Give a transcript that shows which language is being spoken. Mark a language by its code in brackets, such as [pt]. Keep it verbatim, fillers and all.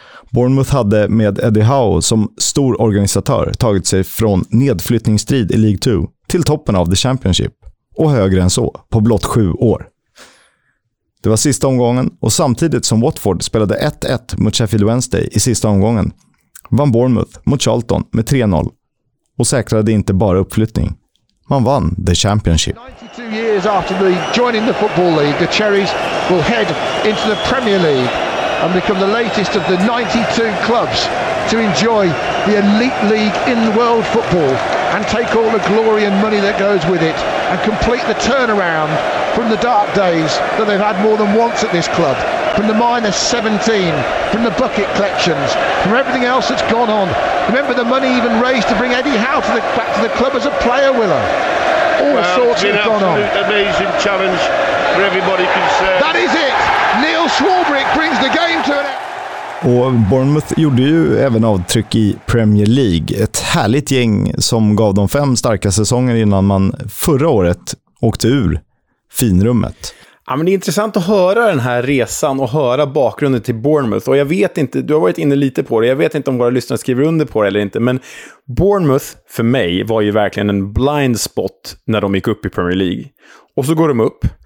[sv] Bournemouth hade med Eddie Howe som stor organisatör tagit sig från nedflyttningsstrid i League Two till toppen av The Championship och högre än så på blott sju år. Det var sista omgången och samtidigt som Watford spelade ett ett mot Sheffield Wednesday i sista omgången vann Bournemouth mot Charlton med tre noll och säkrade inte bara uppflyttning. Man vann The Championship. [en] nittiotvå years after the joining the Football League, the Cherries will head into the Premier League and become the latest of the ninety-two clubs to enjoy the elite league in world football and take all the glory and money that goes with it and complete the turnaround from the dark days that they've had more than once at this club, from the minus seventeen, from the bucket collections, from everything else that's gone on. Remember the money even raised to bring Eddie Howe to the, back to the club as a player winner. All well, sorts have gone on. It's an absolute amazing challenge for everybody concerned. That is it! Neil Swarbrick brings the game to an end. [sv] Och Bournemouth gjorde ju även avtryck i Premier League. Ett härligt gäng som gav dem fem starka säsonger innan man förra året åkte ur finrummet. Ja, men det är intressant att höra den här resan och höra bakgrunden till Bournemouth. Och jag vet inte, du har varit inne lite på det, jag vet inte om våra lyssnare skriver under på det eller inte, men Bournemouth för mig var ju verkligen en blind spot när de gick upp i Premier League. Och så går de upp.